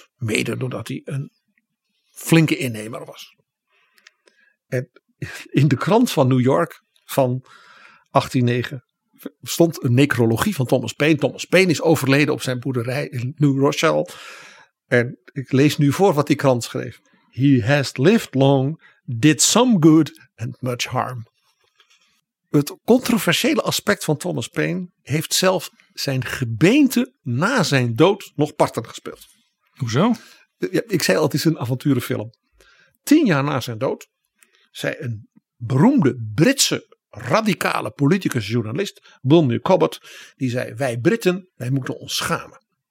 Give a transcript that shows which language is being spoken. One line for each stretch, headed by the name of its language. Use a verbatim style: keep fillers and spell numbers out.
Dutch: Mede doordat hij een flinke innemer was. En in de krant van New York van achttien negen stond een necrologie van Thomas Paine. Thomas Paine is overleden op zijn boerderij in New Rochelle. En ik lees nu voor wat die krant schreef.
English: He has lived long, did some good and much harm.
Dutch: Het controversiële aspect van Thomas Paine heeft zelf zijn gebeente na zijn dood nog parten gespeeld. Hoezo? Ja, ik zei al, het is een avonturenfilm. Tien jaar na zijn dood zei een beroemde Britse radicale politicus journalist, William Cobbett, die zei: wij Britten, wij moeten ons schamen.